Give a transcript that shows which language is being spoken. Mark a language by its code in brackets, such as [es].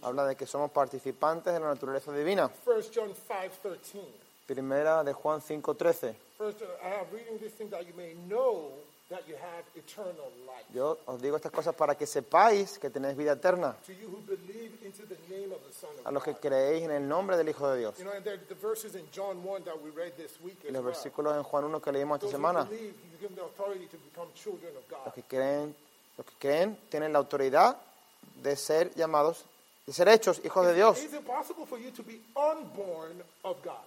[es] Habla de que somos participantes de la naturaleza divina. [en] 1 John 5:13. [es] Primera de Juan 5:13. [en] First, I am reading this thing that you may know that you have eternal life. [es] Yo os digo estas cosas para que sepáis que tenéis vida eterna. [en] To you who believe into the name of the Son of God. [es] A los que creéis en el nombre del Hijo de Dios. [en] You know, and the verses in John 1 that we read this week. [es] Y los versículos en Juan 1 que leímos esta semana. [en] Those who believe, you give them the authority to become children of God. [es] Los que creen tienen la autoridad de ser llamados, de ser hechos hijos de Dios. [en] It is impossible for you to be unborn of God.